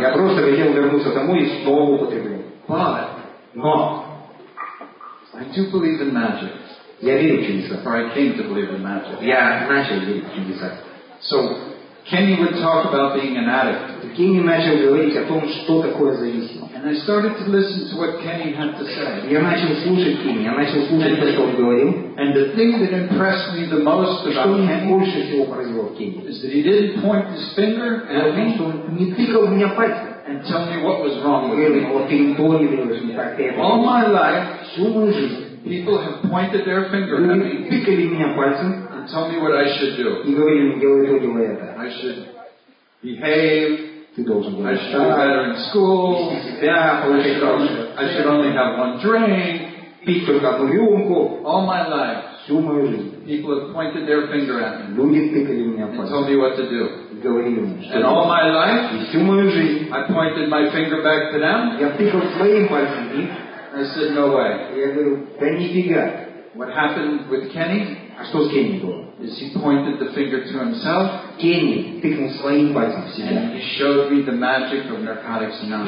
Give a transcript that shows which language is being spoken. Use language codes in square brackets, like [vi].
[ru] Я просто хотел вернуться домой и снова употреблять. [en] But. [ru] Но. [en] I do believe in magic. [ru] Я верю в чудеса. [en] Or I came to believe in magic. [ru] Я начал верить в чудеса. [en] So. Kenny would talk about being an addict. [ru] Kenny начал говорить о том, что такое зависимость. [en] And I started to listen to what Kenny had to say. [ru] Я начал слушать Кенни. Я начал слушать то, что он говорил. [en] And the thing that impressed me the most about Kenny. [ru] Что меня больше всего поразило в Кенни. [en] Is that he didn't point his finger at me. [ru] Что он не тыкал меня пальцем. [en] And tell me what was wrong with me. [ru] Вот ты не понимаешь меня. [en] All my life, [ru] всю мою жизнь, [en] people have pointed their finger at me. [ru] Тыкали меня пальцем. [en] Tell me what I should do. [ru] И говорили мне, делай то, делай это. [en] I should behave. [ru] Ты должен быть. [en] I should do better in school. I should only have one drink. [ru] Пить только одну рюмку. [en] All my life. [ru] Всю мою жизнь. [en] People have pointed their finger at me. [ru] Люди тыкали меня пальцем. [en] And told me what to do. [ru] И говорили мне, что. [en] And all my life. [ru] И всю мою жизнь. [en] I pointed my finger back to them. [ru] Я тыкал своим пальцем. [en] I said, no way. [ru] Я говорю, да нифига. [en] What happened with Kenny? [ru] А что с Кенни было? [en] Is he pointed the finger to himself? [ru] Кенни тыкнул своим пальцем в себя. [en] And he showed me the magic of Narcotics Anonymous.